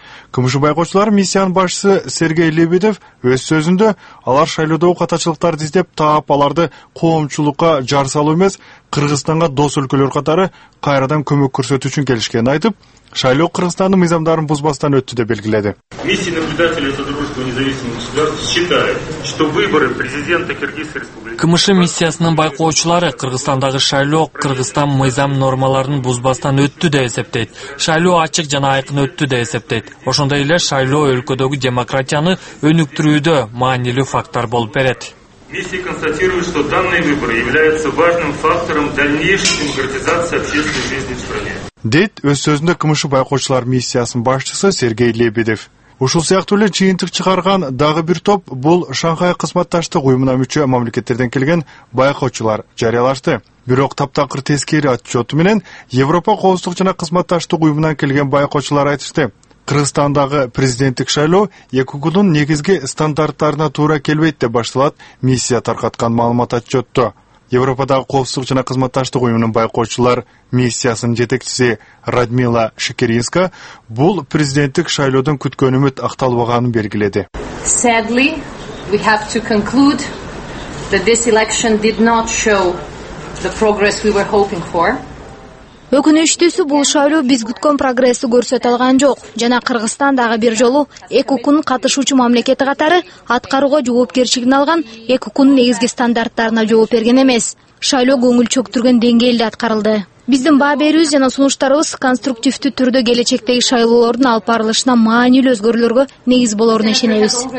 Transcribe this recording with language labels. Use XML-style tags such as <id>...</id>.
<ky>КМШ байкоочулар миссиянын башчысы Сергей Лебедев өз сөзүндө алар шайлоодогу катачылыктарды издеп таап, аларды коомчулукка жар салуу эмес, Кыргызстанга дос өлкөлөр катары кайрадан көмөк көрсөтүү үчүн келишкенин айтып, шайлоо Кыргызстандын мыйзамдарын бузбастан өттү деп белгиледи.</ky> <ru>Миссия наблюдателей Содружества независимых государств считает, что выборы президента Кыргызской республики.</ru> <ky>КМШ миссиясынын байкоочулары Кыргызстандагы шайлоо Кыргызстан мыйзам нормаларын бузбастан өттү деп эсептейт. Шайлоо ачык жана айкын өттү деп эсептейт. Ошондой эле шайлоо өлкөдөгү демократияны өнүктүрүүдө маанилүү фактор болуп берет.</ky> <ru>Миссия констатирует, что данные выборы являются важным фактором дальнейшей демократизации общественной жизни в стране.</ru> <ky>Дейт өз сөзүндө КМШ байкоочулар миссиясынын башчысы Сергей Лебедев. Ушул сыяктуу эле жыйынтык чыгарган дагы бир топ бул Шанхай кызматташтык уюмуна мүчө мамлекеттерден келген байкоочулар жарыялашты. Бирок таптакыр тескери отчёту менен Европа коопсуздук жана кызматташтык уюмунан келген байкоочулар айтышты. Кыргызстандагы президенттик шайлоо ЭККУ-нун негизги стандарттарына туура келбейт деп башталат миссия таркаткан маалымат отчётто. Европадагы коопсуздук жана кызматташтык уюмунун байкоочулар миссиясынын жетекчиси Радмила Шикеринска бул президенттик шайлоодон күткөн үмүт акталбаганын белгиледи.</ky> <en>Sadly, we have to conclude that this election did not show the progress we were hoping for.</en> <ky>Өкүнүчтүүсү бул шайлоо биз күткөн прогрессти көрсөтө алган жок жана Кыргызстан дагы бир жолу ЭККУ-нун катышуучу мамлекети катары аткарууга жоопкерчилигин алган ЭККУ-нун негизги стандарттарына жооп берген эмес. Шайлоо көңүл чөктүргөн деңгээлде аткарылды. Биздин баа берүүбүз жана сунуштарыбыз конструктивдүү түрдө келечектеги шайлоолордун алып барылышына маанилүү өзгөрүүлөргө негиз болоруна ишенебиз.</ky>